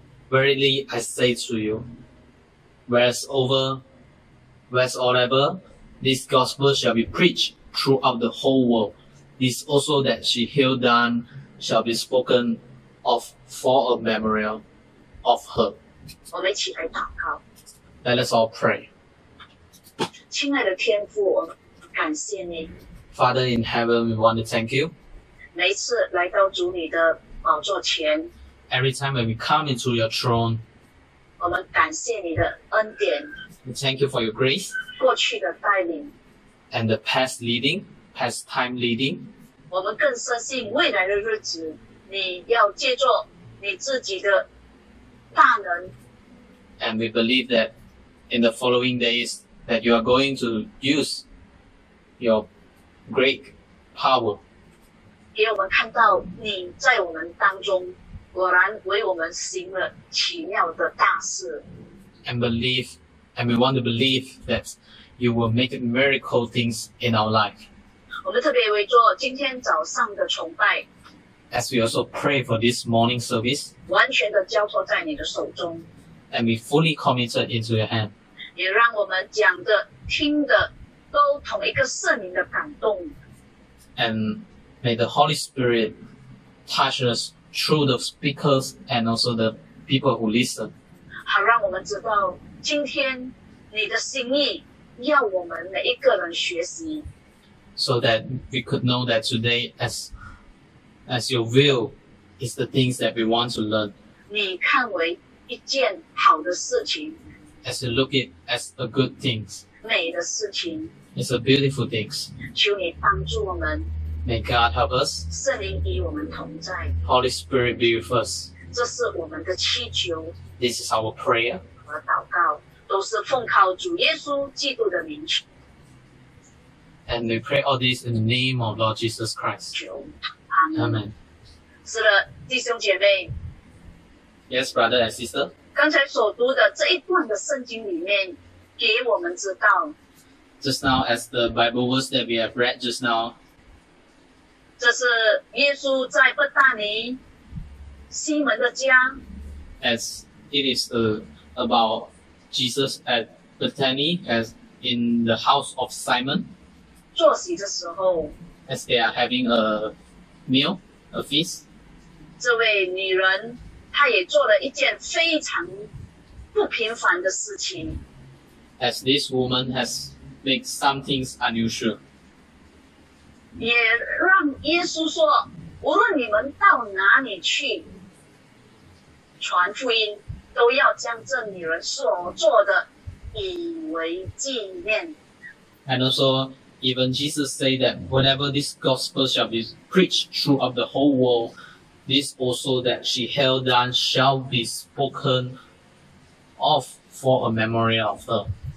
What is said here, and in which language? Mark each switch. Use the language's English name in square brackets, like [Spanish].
[English] Verily I say to you, whereas ever this gospel shall be preached throughout the whole world, this also that she hath done shall be spoken of for a memorial of her. [Chinese] 我们一起来祷告。 [English] Let us all pray. [Chinese] 亲爱的天父，我感谢你。 [English] Father in heaven, we want to thank you. [Chinese] 每次来到主你的宝座前。 [English] Every time when we come into your throne. [Chinese] 我们感谢你的恩典。 [English] We thank you for your grace. [Chinese] 过去的带领。 [English] And the past leading, past time leading. [Chinese] 我们更深信未来的日子，你要借助你自己的大能。 [English] And we believe that in the following days that you are going to use your great power. [Chinese] 给我们看到你在我们当中果然为我们行了奇妙的大事。 [English] And we want to believe that you will make miracle things in our life. [Chinese] 我们特别为做今天早上的崇拜。 [English] As we also pray for this morning service. [Chinese] 完全的交托在你的手中。 [English] And be fully committed into your hand. [Chinese] 也让我们讲的、听的都同一个圣灵的感动。 [English] And may the Holy Spirit touch us through the speakers and also the people who listen. [Chinese] 好让我们知道今天你的心意要我们每一个人学习。 [English] So that we could know that today as your will is the things that we want to learn. [Chinese] 你看为一件好的事情。 [English] As you look it as a good thing. [Chinese] 美的事情。 [English] It's a beautiful thing. [Chinese] 求你帮助我们。 [English] May God help us. [Chinese] 圣灵与我们同在。 [English] Holy Spirit be with us. [Chinese] 这是我们的祈求。 [English] This is our prayer. [Chinese] 和祷告都是奉靠主耶稣基督的名。 [English] And we pray all this in the name of Lord Jesus Christ. [Chinese] Amen. 是的，弟兄姐妹。 [English] Yes, brother and sister. [Chinese] 刚才所读的这一段的圣经里面给我们知道。 [English] Just now, as the Bible verse that we have read just now. [Chinese] 这是耶稣在伯大尼西门的家。 [English] As it is about Jesus at Bethany, as in the house of Simon. [Chinese] 坐席的时候。 [English] As they are having a meal, a feast. [Chinese] 这位女人他也做了一件非常不平凡的事情。 [English] As this woman has made some things unusual. [Chinese] 也让耶稣说，无论你们到哪里去传福音，都要将这女人所做的以为纪念。 [English] And also, even Jesus say that whenever this gospel shall be preached throughout the whole world,This also that she held on shall be spoken of for a memory of her.